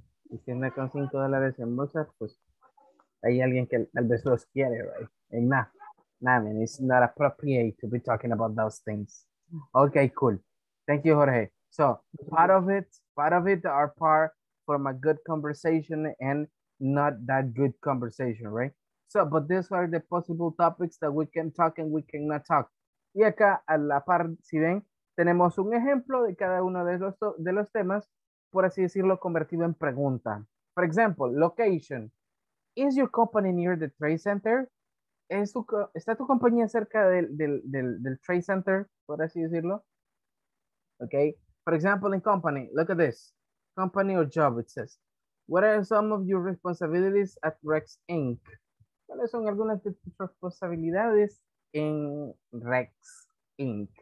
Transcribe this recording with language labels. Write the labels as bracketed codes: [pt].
[es] Y si anda con $5 en bolsas, pues hay alguien que tal vez los quiere, right? [en] And nah, nah, man, it's not appropriate to be talking about those things. Okay, cool. Thank you, Jorge. So part of it are part from a good conversation and not that good conversation, right? So, but these are the possible topics that we can talk and we cannot talk. [es] Y acá, a la par, si ven, tenemos un ejemplo de cada uno de los temas, por así decirlo, convertido en pregunta. [en] For example, location. Is your company near the trade center? [es] ¿Está tu compañía cerca del trade center, por así decirlo? [en] Okay. For example, in company, look at this. Company or job, it says. What are some of your responsibilities at Rex Inc.? [es] ¿Cuáles son algunas de tus responsabilidades en Rex Inc.?